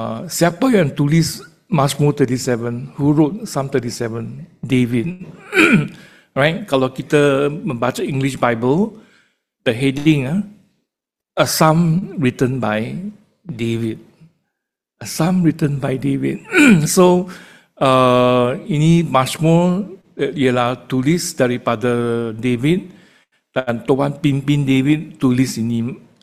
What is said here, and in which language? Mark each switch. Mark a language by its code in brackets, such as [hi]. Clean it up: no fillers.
[ms] Siapa yang tulis Mazmur 37? [en] Who wrote Psalm 37? David. Right? [ms] Kalau kita membaca [en] English Bible, the heading, a psalm written by David. A psalm written by David. [ms] So ini Mazmur ialah tulis daripada David dan Tuhan pimpin David tulis ini.